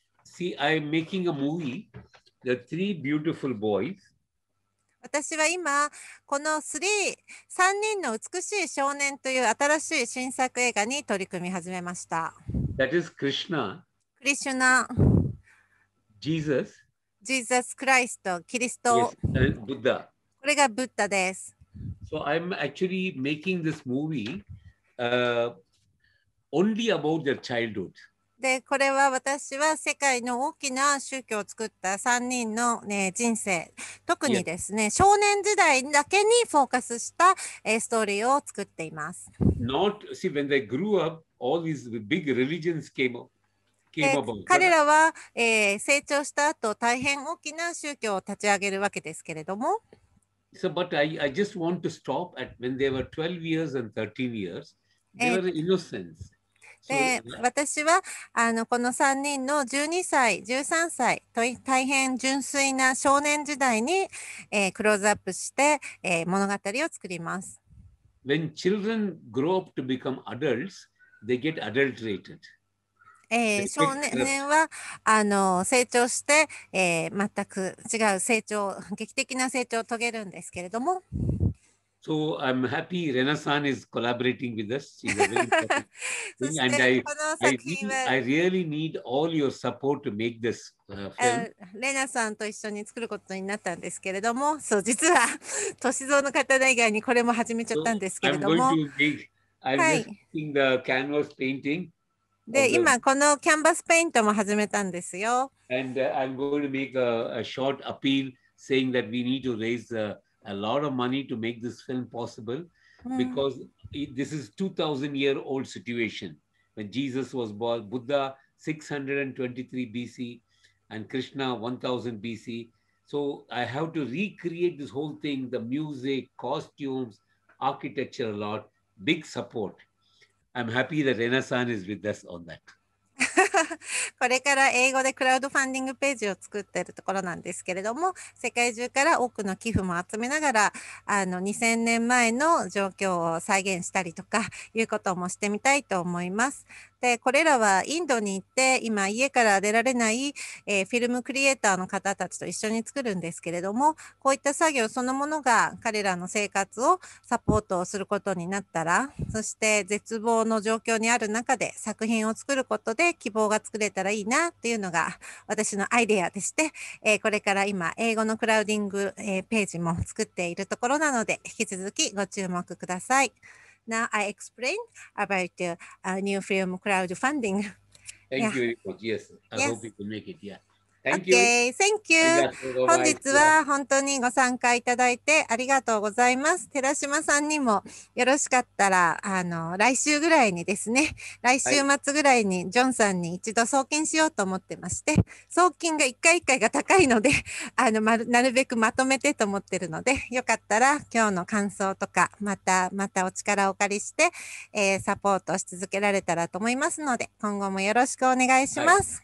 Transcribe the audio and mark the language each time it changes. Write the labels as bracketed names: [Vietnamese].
[English] See, I'm making a movie, The Three Beautiful Boys. [Japanese] 私は今この3人の美しい少年という新しい新作映画に取り組み始めました。 [English] That is Krishna. Krishna. Jesus. Jesus Christ. キリスト。 Yes, Buddha. [Japanese] これがブッダです。 [English] So I'm actually making this movie, only about their childhood. [Japanese] でこれは私は世界の大きな宗教を作った3人の、ね、人生特にですね、yeah. 少年時代だけにフォーカスしたストーリーを作っています。 [English] Not, see, when they grew up, all these big religions came about. [Japanese] 彼らは、成長した後大変大きな宗教を立ち上げるわけですけれども、 [English] so, but I just want to stop at when they were 12 years and 13 years they were innocents [Japanese] で私はこの3人の12歳、13歳と大変純粋な少年時代に、クローズアップして、物語を作ります。 [English] When children grow up to become adults, they get adulterated. [Japanese] 少年は成長して、全く違う成長、劇的な成長を遂げるんですけれども。 [English] So I'm happy Rena-san is collaborating with us. She's a very happy thing. And I really need all your support to make this film. [Japanese] Rena-san と一緒に作ることになったんですけれども、そう実は歳三の方以外にこれも始めちゃったんですけれども。 [English] So、I'm just doing the canvas painting. [Japanese] で今このキャンバスペイントも始めたんですよ。 [English] And I'm going to make a short appeal saying that we need to raise the a lot of money to make this film possible because this is 2000 year old situation when Jesus was born, Buddha 623 BC and Krishna 1000 BC. So I have to recreate this whole thing, the music, costumes, architecture a lot, big support. I'm happy that Rena-san is with us on that. [Japanese] これから英語でクラウドファンディングページを作っているところなんですけれども、世界中から多くの寄付も集めながら2000年前の状況を再現したりとかいうこともしてみたいと思います。でこれらはインドに行って今家から出られない、フィルムクリエイターの方たちと一緒に作るんですけれども、こういった作業そのものが彼らの生活をサポートすることになったら、そして絶望の状況にある中で作品を作ることで希望が作れたらいいなっていうのが私のアイデアでして、これから今英語のクラウディング、ページも作っているところなので引き続きご注目ください。 [English] Now I explain about the new film crowdfunding. Thank you very much. Yes, I hope you can make it. Yeah. Thank you. Okay, thank you. [Japanese] 本日は本当にご参加いただいてありがとうございます。寺島さんにもよろしかったら、来週ぐらいにですね、来週末ぐらいにジョンさんに一度送金しようと思ってまして、送金が1回1回が高いので、なるべくまとめてと思ってるので、よかったら今日の感想とか、またお力をお借りして、サポートし続けられたらと思いますので、今後もよろしくお願いします。